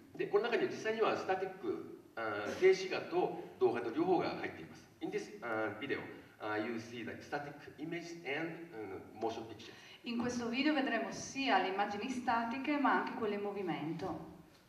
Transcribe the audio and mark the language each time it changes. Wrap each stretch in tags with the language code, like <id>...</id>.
<ja>De, この中には実際にはスタティック、静止画と動画と両方が入っています。</ja> <en>In this video, you see the static image and motion picture.</en> <it>In questo video vedremo sia le immagini statiche ma anche quelle in movimento.</it>